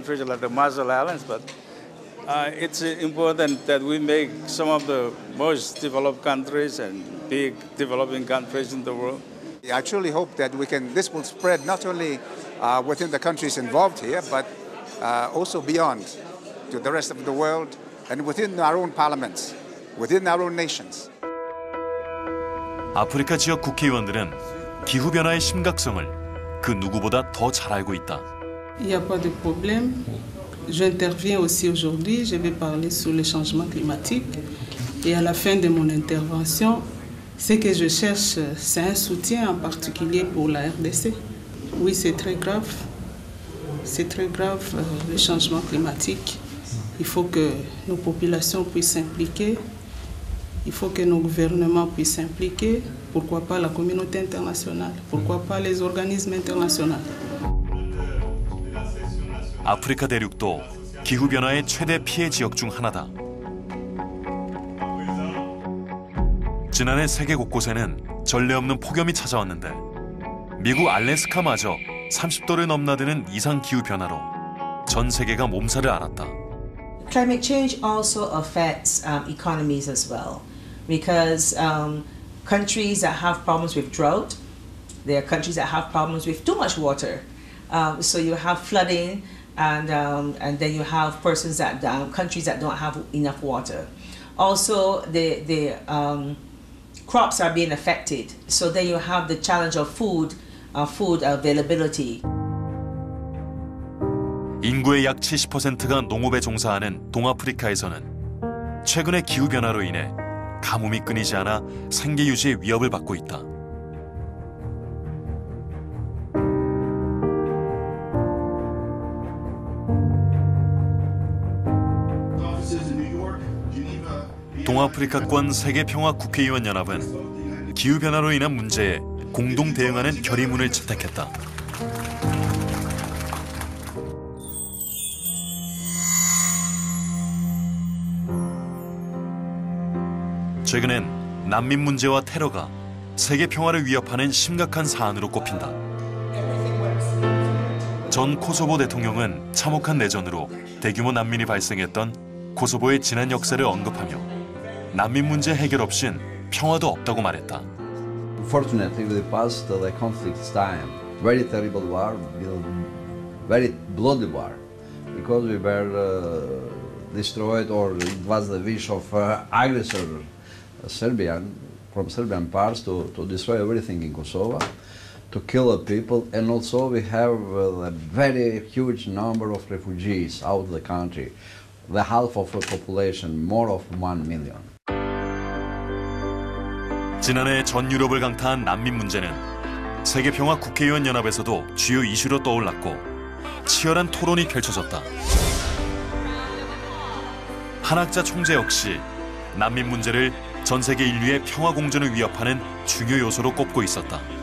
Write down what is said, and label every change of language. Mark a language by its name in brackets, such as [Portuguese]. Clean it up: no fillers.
[English] It's important that we make some of the most developed countries and big developing countries in the world. I truly hope that we can. This will spread not only within the countries involved here, but also beyond to the rest of the world and within our own parliaments, within our own nations. [Korean] 아프리카 지역 국회의원들은 기후 변화의 심각성을 그 누구보다 더 잘 알고 있다. [French] Il n'y a pas de problème. J'interviens aussi aujourd'hui. Je vais parler sur le changement climatique. Et à la fin de mon intervention, ce que je cherche, c'est un soutien en particulier pour la RDC. Oui, c'est très grave. C'est très grave le changement climatique. Il faut que nos populations puissent s'impliquer. Il faut que nos gouvernements puissent s'impliquer. Pourquoi pas la communauté internationale? Pourquoi pas les organismes internationaux? [Korean] 아프리카 대륙도 기후 변화의 최대 피해 지역 중 하나다. 지난해 세계 곳곳에는 전례 없는 폭염이 찾아왔는데 미국 알래스카마저 30도를 넘나드는 이상 기후 변화로 전 세계가 몸살을 앓았다. [English] Climate change also affects economies as well because countries that have problems with drought, there are countries that have problems with too much water. So you have flooding. And then you have persons that countries that don't have enough water. Also, the crops are being affected. So then you have the challenge of food availability. [Korean] 인구의 약 70%가 농업에 종사하는 동아프리카에서는 최근의 기후 변화로 인해 가뭄이 끊이지 않아 생계 유지의 위협을 받고 있다. 동아프리카권 세계평화국회의원연합은 기후변화로 인한 문제에 공동 대응하는 결의문을 채택했다. 최근엔 난민 문제와 테러가 세계평화를 위협하는 심각한 사안으로 꼽힌다. 전 코소보 대통령은 참혹한 내전으로 대규모 난민이 발생했던 코소보의 지난 역사를 언급하며 난민 문제 해결 없인 평화도 없다고 말했다. [English] Unfortunately, the past the conflict time, very terrible war, very bloody war, because we were destroyed or it was the wish of aggressor Serbian from Serbian parts to destroy everything in Kosovo, to kill the people, and also we have a very huge number of refugees out of the country, the half of the population, more of 1 million. [Korean] 지난해 전 유럽을 강타한 난민 문제는 세계평화 국회의원 연합에서도 주요 이슈로 떠올랐고 치열한 토론이 펼쳐졌다. 한 학자 총재 역시 난민 문제를 전 세계 인류의 평화 공존을 위협하는 중요 요소로 꼽고 있었다.